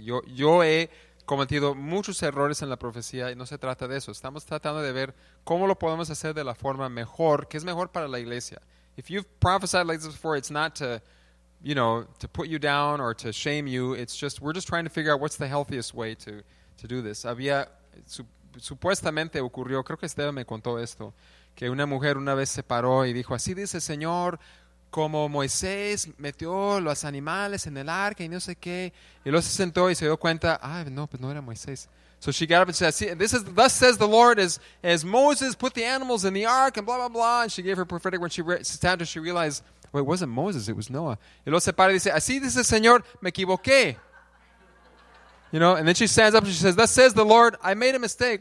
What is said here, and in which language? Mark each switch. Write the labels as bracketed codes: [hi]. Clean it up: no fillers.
[es] Yo he cometido muchos errores en la profecía y no se trata de eso. Estamos tratando de ver cómo lo podemos hacer de la forma mejor, que es mejor para la iglesia. [en] If you've prophesied like this before, it's not to, you know, to put you down or to shame you. It's just, we're just trying to figure out what's the healthiest way to do this. [es] Supuestamente ocurrió, creo que Esteban me contó esto, que una mujer una vez se paró y dijo, así dice el Señor, como Moisés metió los animales en el arca y no sé qué, y luego se sentó y se dio cuenta, ay, no, pues no era Moisés. [en] So she got up and said, this is, thus says the Lord, as Moses put the animals in the ark and blah, blah, blah, and she gave her prophetic, when she sat down, she realized, well, it wasn't Moses, it was Noah. [es] Y luego se para y dice, así dice el Señor, me equivoqué. [en] You know, and then she stands up and she says, "Thus says the Lord, I made a mistake."